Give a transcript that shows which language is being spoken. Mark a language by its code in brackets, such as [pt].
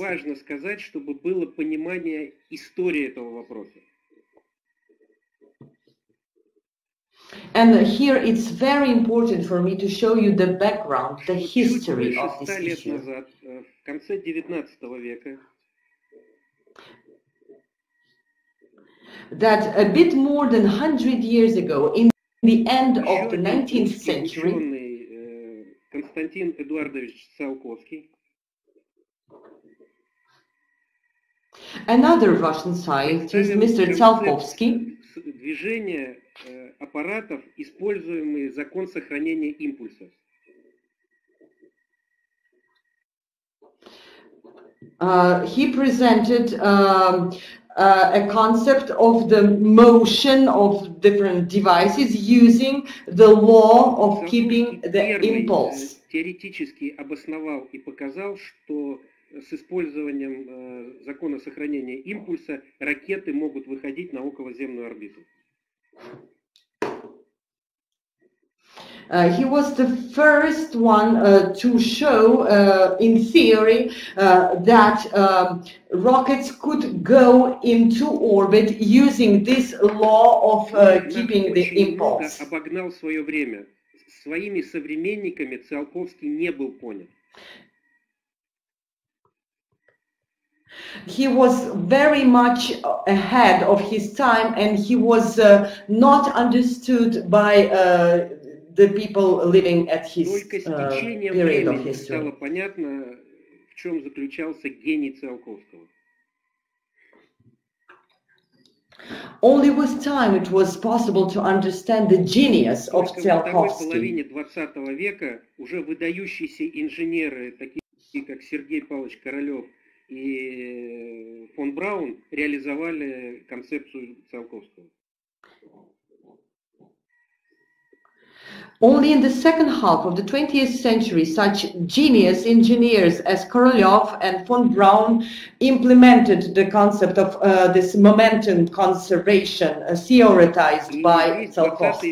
[ru] Очень важно сказать, чтобы было понимание истории этого вопроса. [en] And here it's very important for me to show you the background, the history of this issue. [ru] Назад, в конце 19 века. [en] That a bit more than 100 years ago, in the end of the 19th century, [ru] Константин Эдуардович Циолковский. [en] Another Russian scientist, Mr. Циолковский. [ru] Движение аппаратов, используемые закон сохранения импульса. [en] He presented a concept of the motion of different devices using the law of keeping the impulse. [ru] Теоретически обосновал и показал, что с использованием закона сохранения импульса ракеты могут выходить на околоземную орбиту. [en] He was the first one to show, in theory, that rockets could go into orbit using this law of keeping the impulse. [ru] Он обогнал свое время. Своими современниками Циолковский не был понят. [en] He was very much ahead of his time, and he was not understood by the people living at his period of history. [ru] Стало понятно, в чем заключался гений Циолковского. [en] Only with time it was possible to understand the genius of Циолковский. [ru] В половине 20 века уже выдающиеся инженеры, такие как Сергей Павлович Королёв и фон Браун, реализовали концепцию Циолковского. [en] Only in the second half of the 20th century such genius engineers as Korolev and von Braun implemented the concept of this momentum conservation theorized by Циолковский.